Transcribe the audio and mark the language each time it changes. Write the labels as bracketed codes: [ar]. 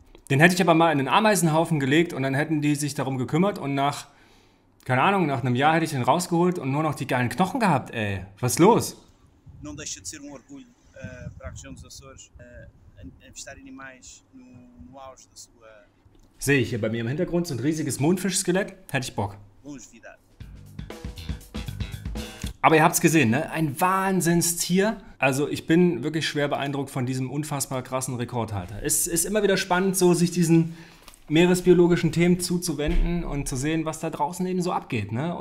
[de] Den hätte ich aber mal in einen Ameisenhaufen gelegt und dann hätten die sich darum gekümmert und nach, keine Ahnung, nach einem Jahr hätte ich den rausgeholt und nur noch die geilen Knochen gehabt, ey. Was ist los? [pt] Não deixa de ser um orgulho para a região dos Açores avistar animais no auge da sua [de] Sehe ich hier bei mir im Hintergrund so ein riesiges Mondfischskelett? Hätte ich Bock. [pt] longevidade. [de] Aber ihr habt es gesehen, ne? Ein Wahnsinnstier. Also ich bin wirklich schwer beeindruckt von diesem unfassbar krassen Rekordhalter. Es ist immer wieder spannend, so sich diesen meeresbiologischen Themen zuzuwenden und zu sehen, was da draußen eben so abgeht, ne?